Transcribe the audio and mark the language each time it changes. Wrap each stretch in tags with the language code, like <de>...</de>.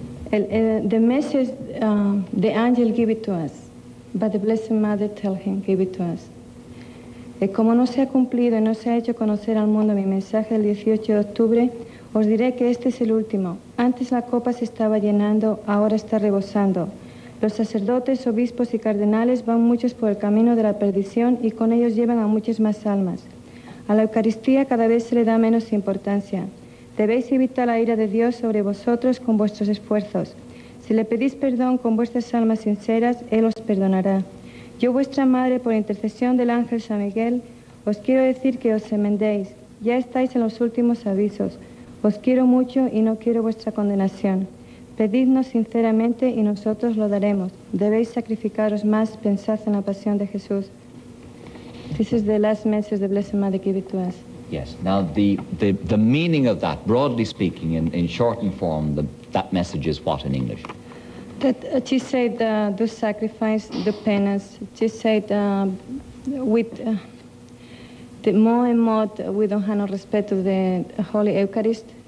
<en>The message, the angel give it to us, but the Blessed Mother tell him, give it to us.</en> <es>Como no se ha cumplido y no se ha hecho conocer al mundo mi mensaje el 18 de octubre, os diré que este es el último. Antes la copa se estaba llenando, ahora está rebosando. Los sacerdotes, obispos y cardenales van muchos por el camino de la perdición y con ellos llevan a muchas más almas. A la Eucaristía cada vez se le da menos importancia. Debéis evitar la ira de Dios sobre vosotros con vuestros esfuerzos. Si le pedís perdón con vuestras almas sinceras, Él os perdonará. Yo, vuestra madre, por intercesión del ángel San Miguel, os quiero decir que os enmendéis. Ya estáis en los últimos avisos. Os quiero mucho y no quiero vuestra condenación. Pedidnos sinceramente y nosotros lo daremos. Debéis sacrificaros más, pensad en la pasión de Jesús.</es> <en>This is the last message the Blessed Mother gave to us. Yes. Now, the meaning of that, broadly speaking, in shortened form, that message is what in English? That she said the sacrifice, the penance. She said with the more and more we don't have no respect to the Holy Eucharist.</en>